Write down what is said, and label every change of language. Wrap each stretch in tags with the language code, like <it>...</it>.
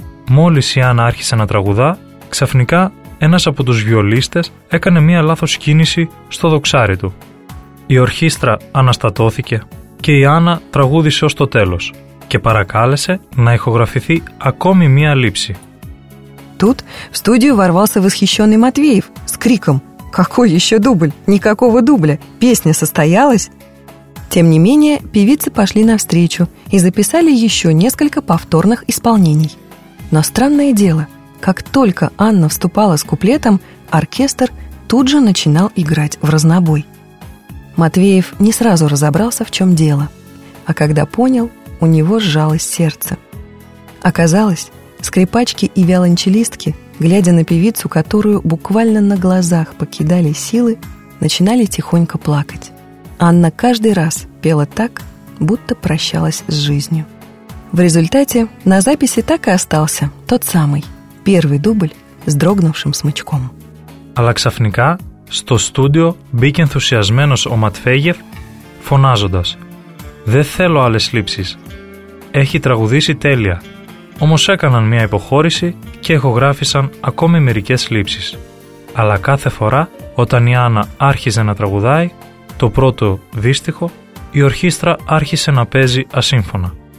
<el>Μόλις η Άννα άρχισε να τραγουδά, ξαφνικά ένας από τους βιολίστες έκανε μία λάθος κίνηση στο δοξάρι του. Η ορχήστρα αναστατώθηκε και η Άννα τραγούδησε ως το τέλος και παρακάλεσε να ηχογραφηθεί ακόμη μία λήψη.</el> <ru>Тут в студию ворвался восхищенный Матвеев с криком: «Какой еще дубль? Никакого дубля! Песня состоялась!» Тем не менее, певицы пошли навстречу и записали еще несколько повторных исполнений. Но странное дело, как только Анна вступала с куплетом, оркестр тут же начинал играть в разнобой. Матвеев не сразу разобрался, в чем дело. А когда понял, у него сжалось сердце. Оказалось, скрипачки и виолончелистки, глядя на певицу, которую буквально на глазах покидали силы, начинали тихонько плакать. Анна каждый раз пела так, будто прощалась с жизнью. В результате на записи так и остался тот самый первый дубль с дрогнувшим смычком.</ru> <el>Але ксафника сто студио бік ентузіазменос о Матвеєв, фоназодас: «Де θέλω άλλες λήψεις. Έχει τραγουδήσει τέλεια. Όμως έκαναν μια υποχώρηση και ηχογράφησαν ακόμη μερικές λήψεις». Αλλά κάθε φορά όταν η Άννα άρχιζε να τραγουδάει το πρώτο δίστιχο, η ορχήστρα άρχισε να παίζει ασύμφωνα.</el>